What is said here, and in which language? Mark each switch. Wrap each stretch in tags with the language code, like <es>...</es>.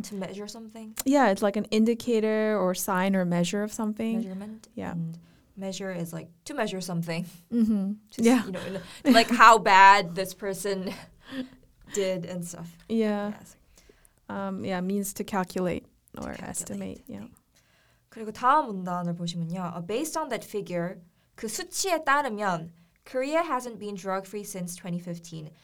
<en>to measure something. Yeah, it's like an indicator or sign or measure of something. Measurement. Yeah. And measure is like to measure something. Mm-hmm. Just, yeah. You know, like how bad this person did and stuff. Yeah. Yeah, means to calculate or estimate. Yeah.</en> <ko>그리고 다음 문단을 보시면요.</ko> <en>Based on that figure,</en> <ko>그 수치에 따르면</ko> <en>Korea hasn't been drug-free since 2015.</en>